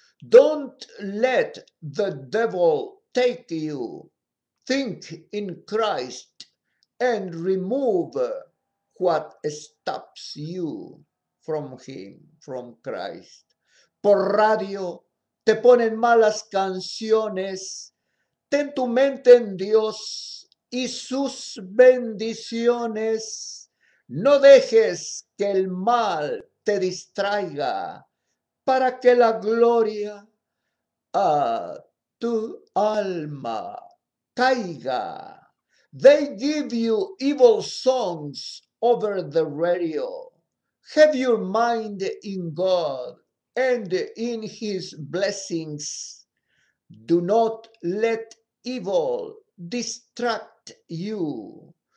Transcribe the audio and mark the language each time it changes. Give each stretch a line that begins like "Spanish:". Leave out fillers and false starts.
English: Don't let the devil take you. Think in Christ and remove what stops you from Him, from Christ.
Spanish: Por radio te ponen malas canciones. Ten tu mente en Dios y sus bendiciones. No dejes que el mal te distraiga para que la gloria a tu alma caiga.
English: They give you evil songs over the radio. Have your mind in God and in His blessings. Do not let evil distract you.